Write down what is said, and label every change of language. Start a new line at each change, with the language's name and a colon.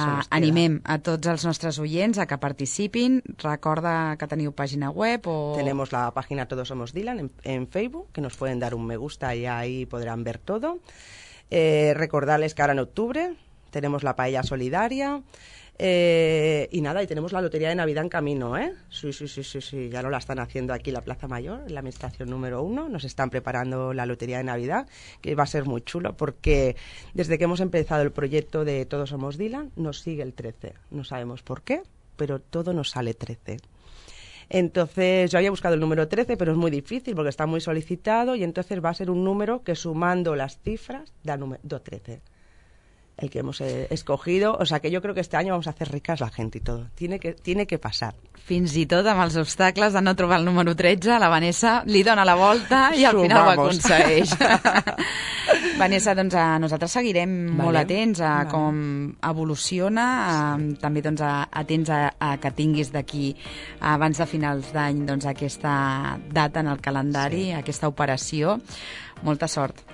Catalan: Animem a tots els nostres oients a que participin. Recorda que teniu pàgina web o...
Spanish: Tenemos la pàgina Todos Somos Dylan en Facebook, que nos pueden dar un me gusta y ahí podrán ver todo. Recordarles que ara en octubre tenemos la paella solidaria. Y nada, y tenemos la lotería de Navidad en camino, ¿eh? Sí, ya lo la están haciendo aquí la Plaza Mayor, la administración número uno, nos están preparando la lotería de Navidad, que va a ser muy chulo, porque desde que hemos empezado el proyecto de Todos Somos Dylan, nos sigue el 13, no sabemos por qué, pero todo nos sale 13. Entonces, yo había buscado el número 13, pero es muy difícil, porque está muy solicitado, y entonces va a ser un número que sumando las cifras da 13. El que hemos escogido, o sea, que yo creo que este año vamos a hacer ricas la gente y todo. Tiene que pasar.
Catalan: Fins i tot amb els obstacles de no trobar el número 13, la Vanessa li dona la volta i al
Spanish: Sumamos.
Catalan: Final ho aconsegueix. Vanessa, doncs nosaltres seguirem molt atents a com evoluciona, també doncs atents a que tinguis d'aquí abans de finals d'any doncs aquesta data en el calendari, aquesta operació. Molta sort.